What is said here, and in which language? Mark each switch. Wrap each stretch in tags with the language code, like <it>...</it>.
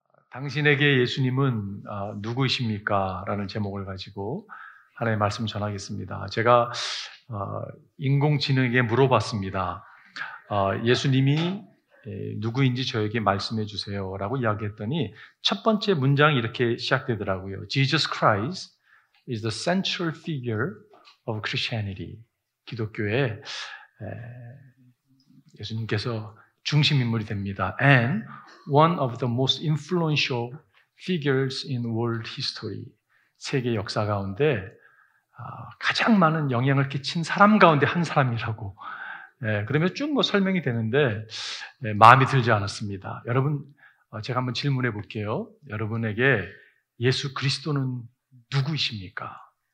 <ko>당신에게 예수님은 누구이십니까? 라는 제목을 가지고 하나님의 말씀 전하겠습니다. 제가 인공지능에게 물어봤습니다. 예수님이 누구인지 저에게 말씀해 주세요 라고 이야기했더니 첫 번째 문장이 이렇게 시작되더라고요.</ko> <en>Jesus Christ is the central figure of Christianity.</en> <ko>기독교의 예수님께서 중심인물이 됩니다.</ko> <en>And one of the most influential figures in world history.</en> <ko>세계 역사 가운데 가장 많은 영향을 끼친 사람 가운데 한 사람이라고. 그러면 쭉 뭐 설명이 되는데 마음이 들지 않았습니다. 여러분, 제가 한번 질문해 볼게요. 여러분에게 예수 그리스도는 누구이십니까?</ko>